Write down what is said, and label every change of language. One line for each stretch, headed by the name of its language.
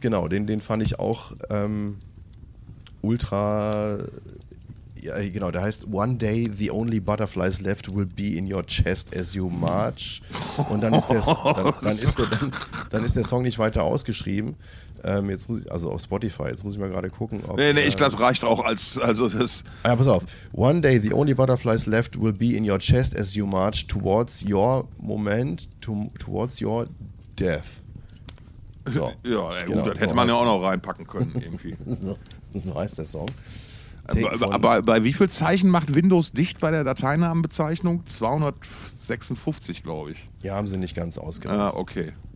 German: genau, den fand ich auch ultra, ja genau, der heißt One Day the Only Butterflies Left Will Be in Your Chest As You March, und dann ist der Song nicht weiter ausgeschrieben. Jetzt muss ich, also auf Spotify, jetzt muss ich mal gerade gucken. Nee, ich glaube, das reicht auch als, also das... Ja, pass auf.
English: One day the only butterflies left will be in your chest as you march towards your moment, towards your death.
German: So. Ja, ey, genau, gut, das hätte man ja auch noch reinpacken können, irgendwie. So heißt der Song. Aber bei wie viel Zeichen macht Windows dicht bei der Dateinamenbezeichnung? 256, glaube ich. Ja, haben sie nicht ganz ausgereizt. Ah, okay.